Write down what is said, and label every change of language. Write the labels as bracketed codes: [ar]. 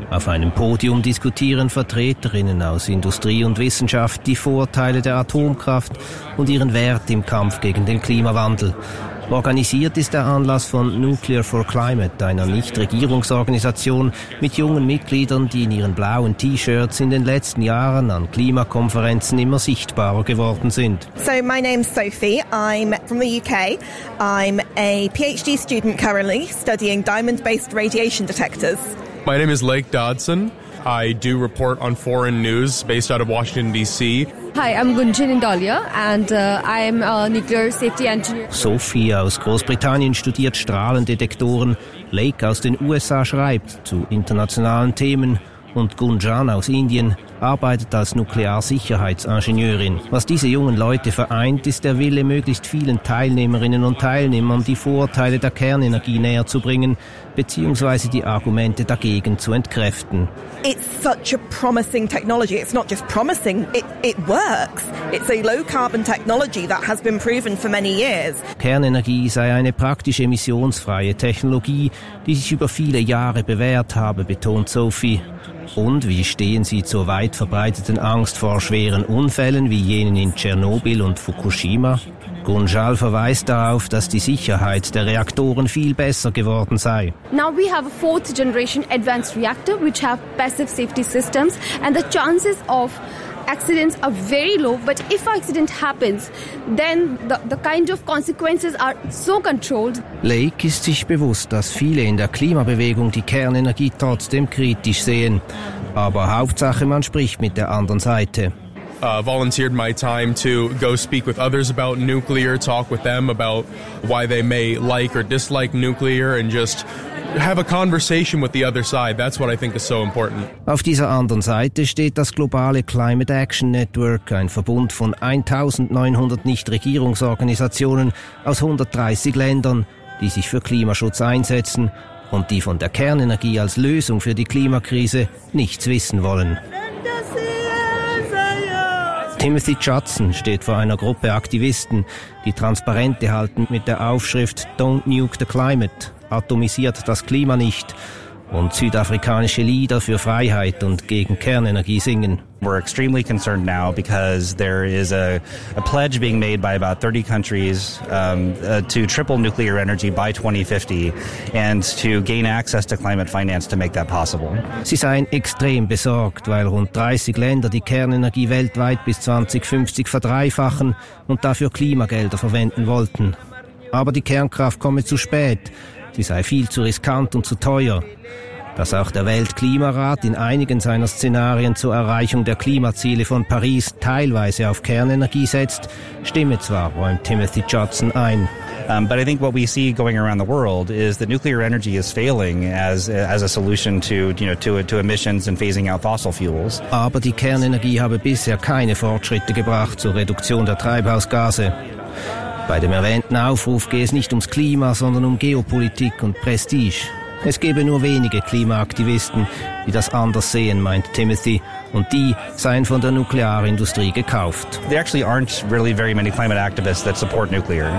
[de] Auf einem Podium diskutieren Vertreterinnen aus Industrie und Wissenschaft die Vorteile der Atomkraft und ihren Wert im Kampf gegen den Klimawandel. Organisiert ist der Anlass von Nuclear for Climate, einer Nichtregierungsorganisation mit jungen Mitgliedern, die in ihren blauen T-Shirts in den letzten Jahren an Klimakonferenzen immer sichtbarer geworden sind. [en] So, my name's Sophie. I'm from the UK. I'm a PhD student currently studying diamond-based radiation detectors. My name is Lake Dodson. I do report on foreign news based out of Washington, D.C. Hi, I'm Gunjin Indalia and I'm a nuclear safety engineer. [de] Sophie aus Großbritannien studiert Strahlendetektoren. Lake aus den USA schreibt zu internationalen Themen. Und Gunjan aus Indien arbeitet als Nuklearsicherheitsingenieurin. Was diese jungen Leute vereint, ist der Wille, möglichst vielen Teilnehmerinnen und Teilnehmern die Vorteile der Kernenergie näher zu bringen, beziehungsweise die Argumente dagegen zu entkräften. [en] It's such a promising technology. It's not just promising, it works. It's a low-carbon technology that has been proven for many years. [de] Kernenergie sei eine praktisch emissionsfreie Technologie, die sich über viele Jahre bewährt habe, betont Sophie. Und wie stehen Sie zur weit verbreiteten Angst vor schweren Unfällen wie jenen in Tschernobyl und Fukushima? Gunjal verweist darauf, dass die Sicherheit der Reaktoren viel besser geworden sei. [en] Now we have a fourth generation advanced reactor which have passive safety systems and the chances of accidents are very low, but if accident happens, then the kind of consequences are so controlled. [de] Lake ist sich bewusst, dass viele in der Klimabewegung die Kernenergie trotzdem kritisch sehen. Aber Hauptsache, man spricht mit der anderen Seite. [en] Volunteered my time to go speak with others about nuclear, talk with them about why they may like or dislike nuclear and just have a conversation with the other side. That's what I think is so important. [de] Auf dieser anderen Seite steht das globale Climate Action Network, ein Verbund von 1900 Nichtregierungsorganisationen aus 130 Ländern, die sich für Klimaschutz einsetzen und die von der Kernenergie als Lösung für die Klimakrise nichts wissen wollen. Timothy Judson steht vor einer Gruppe Aktivisten, die Transparente halten mit der Aufschrift [en] «Don't nuke the climate», [de] atomisiert das Klima nicht, und südafrikanische Lieder für Freiheit und gegen Kernenergie singen. [en] We're extremely concerned now because there is a pledge being made by about 30 countries to triple nuclear energy by 2050 and to gain access to climate finance to make that possible. [de] Sie seien extrem besorgt, weil rund 30 Länder die Kernenergie weltweit bis 2050 verdreifachen und dafür Klimagelder verwenden wollten. Aber die Kernkraft komme zu spät. Sie sei viel zu riskant und zu teuer. Dass auch der Weltklimarat in einigen seiner Szenarien zur Erreichung der Klimaziele von Paris teilweise auf Kernenergie setzt, stimme zwar, räumt Timothy Judson ein. [en] But I think what we see going around the world is that nuclear energy is failing as a solution to, you know, to emissions and phasing out fossil fuels. [de] Aber die Kernenergie habe bisher keine Fortschritte gebracht zur Reduktion der Treibhausgase. Bei dem erwähnten Aufruf gehe es nicht ums Klima, sondern um Geopolitik und Prestige. Es gebe nur wenige Klimaaktivisten, die das anders sehen, meint Timothy. Und die seien von der Nuklearindustrie gekauft. [en] There actually aren't really very many climate activists that support nuclear.